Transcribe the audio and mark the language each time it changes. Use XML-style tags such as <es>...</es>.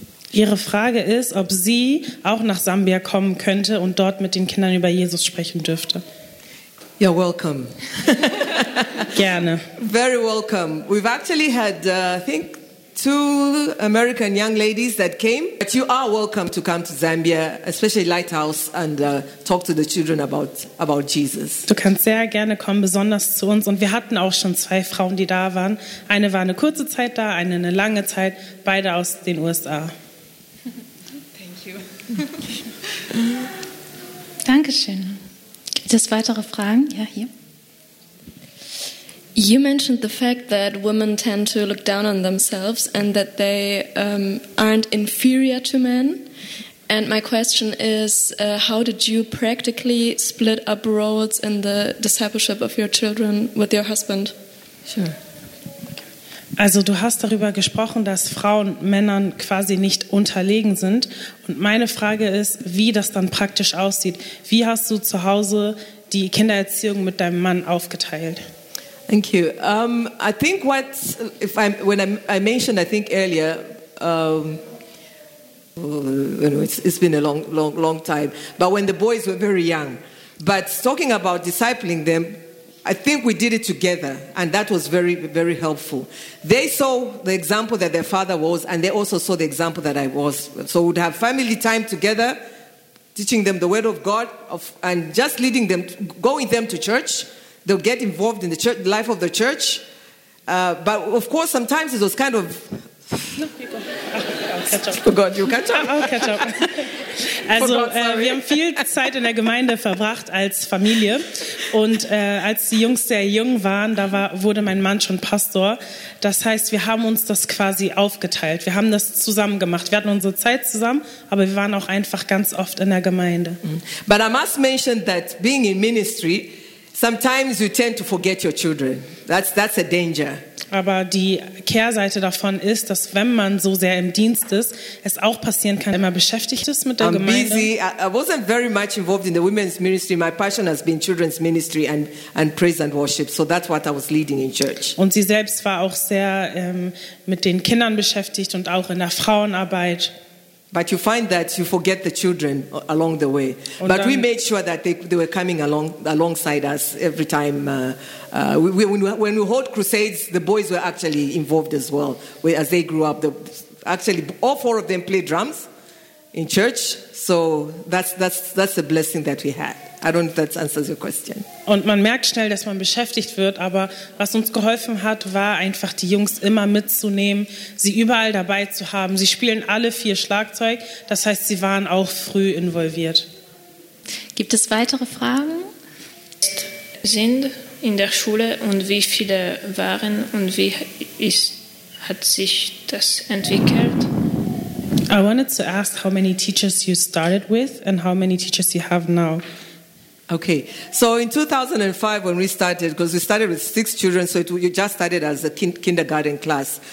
<de>Ihre Frage ist, ob sie auch nach Sambia kommen könnte und dort mit den Kindern über Jesus sprechen dürfte.</de> <en>You're welcome.</en> <de>Gerne.</de> <en>Very welcome. We've actually had, I think, 2 American young ladies that came. But you are welcome to come to Zambia, especially Lighthouse, and talk to the children about Jesus.</en> <de>Du kannst sehr gerne kommen, besonders zu uns. Und wir hatten auch schon 2 Frauen, die da waren. Eine war eine kurze Zeit da, eine lange Zeit, beide aus den USA.</de> <en>Thank you.</en> <de>Dankeschön. Gibt es weitere Fragen? Ja, hier.</de> <en>You mentioned the fact that women tend to look down on themselves and that they aren't inferior to men. And my question is, how did you practically split up roles in the discipleship of your children with your husband? Sure.</en> <de>Also du hast darüber gesprochen, dass Frauen Männern quasi nicht unterlegen sind. Und meine Frage ist, wie das dann praktisch aussieht. Wie hast du zu Hause die Kindererziehung mit deinem Mann aufgeteilt?</de> <en>Thank you. I think what if I when I mentioned I think earlier it's been a long time, but when the boys were very young, but talking about discipling them, I think we did it together, and that was very, very helpful. They saw the example that their father was, and they also saw the example that I was. So we'd have family time together, teaching them the word of God, and just leading them, going them to church. They'll get involved in the church, life of the church. But of course, sometimes it was kind of... I'll catch up.</en> <de>Also, wir haben viel Zeit in der Gemeinde verbracht als Familie. Und als die Jungs sehr jung waren, wurde mein Mann schon Pastor. Das heißt, wir haben uns das quasi aufgeteilt. Wir haben das zusammen gemacht. Wir hatten unsere Zeit zusammen, aber wir waren auch einfach ganz oft in der Gemeinde.</de> <en>But I must mention that being in ministry... Sometimes you tend to forget your children. That's a danger.</en> <de>Aber die Kehrseite davon ist, dass wenn man so sehr im Dienst ist, es auch passieren kann, immer beschäftigt ist mit der Gemeinde.</de> <en>I'm busy. I wasn't very much involved in the women's ministry. My passion has been children's ministry and praise and worship. So that's what I was leading in church.</en> <de>Und sie selbst war auch sehr mit den Kindern beschäftigt und auch in der Frauenarbeit.</de> <en>But you find that you forget the children along the way. But we made sure that they were coming alongside us every time. When we hold crusades, the boys were actually involved as well. As they grew up, all 4 of them play drums in church. So that's a blessing that we had. I don't know if that answers your question.</en> <de>Und man merkt schnell, dass man beschäftigt wird, aber was uns geholfen hat, war einfach die Jungs immer mitzunehmen, sie überall dabei zu haben. Sie spielen alle 4 Schlagzeug, das heißt, sie waren auch früh involviert. Gibt es weitere Fragen? Sind in der Schule und wie viele waren und wie hat sich das entwickelt?</de> <en>I wanted to ask how many teachers you started with and how many teachers you have now. Okay, so in 2005 when we started, because we started with 6 children, so you just started as a kindergarten class.</en>